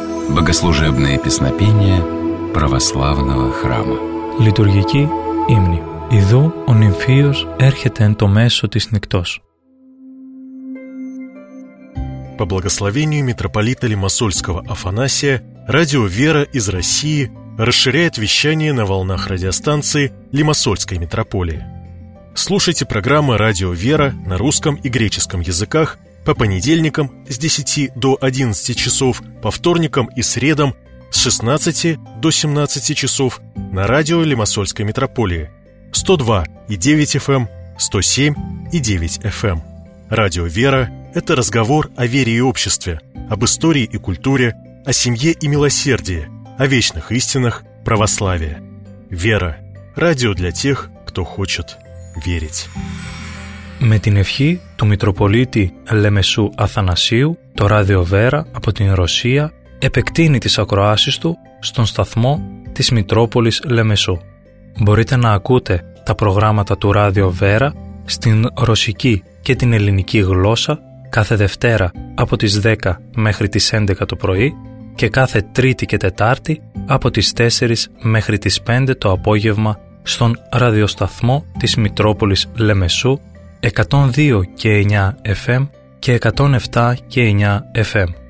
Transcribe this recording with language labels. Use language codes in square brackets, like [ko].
[ru] Богослужебные песнопения православного храма. [el] Литургική ύμνη. Ιδού ο νυμφίος έρχεται εν το μέσο της νυχτός. [ru] По благословению митрополита Лимассольского Афанасия, радио «Вера» из России расширяет вещание на волнах радиостанции Лимассольской митрополии. Слушайте программы «Радио Вера» на русском и греческом языках по понедельникам с 10 до 11 часов, по вторникам и средам с 16 до 17 часов на радио Лимассольской митрополии 102.9 FM, 107.9 FM. Радио «Вера» – это разговор о вере и обществе, об истории и культуре, о семье и милосердии, о вечных истинах православия. «Вера» – радио для тех, кто хочет верить. [el] Με την ευχή του Μητροπολίτη Λεμεσού Αθανασίου, το Ράδιο Βέρα από την Ρωσία επεκτείνει τις ακροάσεις του στον σταθμό της Μητρόπολης Λεμεσού. Μπορείτε να ακούτε τα προγράμματα του Ράδιο Βέρα στην ρωσική και την ελληνική γλώσσα κάθε Δευτέρα από τις 10 μέχρι τις 11 το πρωί και κάθε Τρίτη και Τετάρτη από τις 4 μέχρι τις 5 το απόγευμα στον ραδιοσταθμό της Μητρόπολης Λεμεσού 102 και 9 FM και 107 και 9 FM.